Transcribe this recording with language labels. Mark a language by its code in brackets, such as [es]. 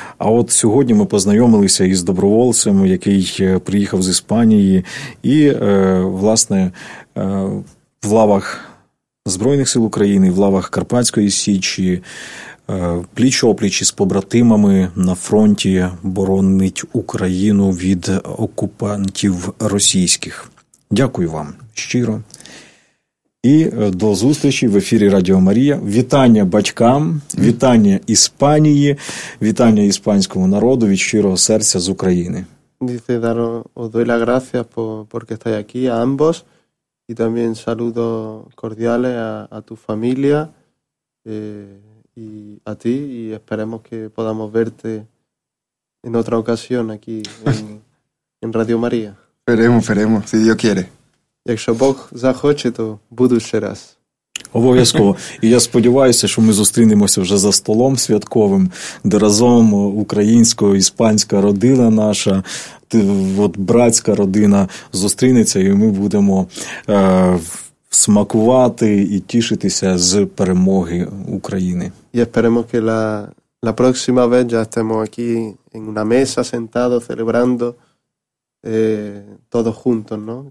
[uk] А от сьогодні ми познайомилися із доброволцем, який приїхав з Іспанії, і, власне, в лавах Збройних сил України, в лавах Карпатської Січі, пліч-опліч із побратимами на фронті боронить Україну від окупантів російських. Дякую вам щиро. І до зустрічі в ефірі Радіо Марія. Вітання батькам, вітання Іспанії, вітання іспанському народу від щирого серця з України. [es] Dice daro os doy la gracia porque estáis aquí a ambos y también saludo cordiales a tu familia y a ti y esperemos que podamos verte en otra ocasión aquí en Radio Maria. Esperemos, si Dio quiere. [uk] Якщо Бог захоче, то буду ще раз. Обов'язково. І я сподіваюся, що ми зустрінемося вже за столом святковим, де разом українсько-іспанська родина наша, от братська родина зустрінеться, і ми будемо смакувати і тішитися з перемоги України. Я сподіваюся, що [es] la próxima vez ya estemos aquí en una mesa sentado celebrando todos juntos, ¿no?